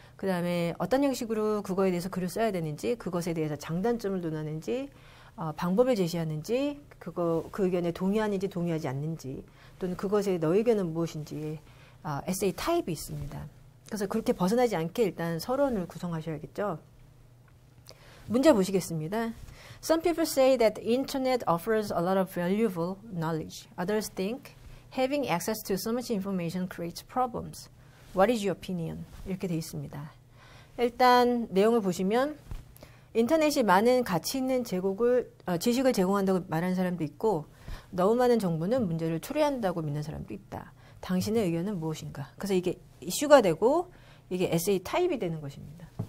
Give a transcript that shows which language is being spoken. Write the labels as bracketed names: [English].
[Korean] 그다음에 어떤 형식으로 그거에 대해서 글을 써야 되는지 그것에 대해서 장단점을 논하는지 방법을 제시하는지 그 의견에 동의하는지 동의하지 않는지 또는 그것의 너의 의견은 무엇인지 에세이 타입이 있습니다. 그래서 그렇게 벗어나지 않게 일단 서론을 구성하셔야겠죠. 문제 보시겠습니다. [English] Some people say that the internet offers a lot of valuable knowledge. Others think having access to so much information creates problems. What is your opinion? [Korean] 이렇게 돼 있습니다. 일단 내용을 보시면 인터넷이 많은 가치 있는 지식을 제공한다고 말하는 사람도 있고 너무 많은 정보는 문제를 초래한다고 믿는 사람도 있다. 당신의 의견은 무엇인가? 그래서 이게 이슈가 되고 이게 에세이 타입이 되는 것입니다.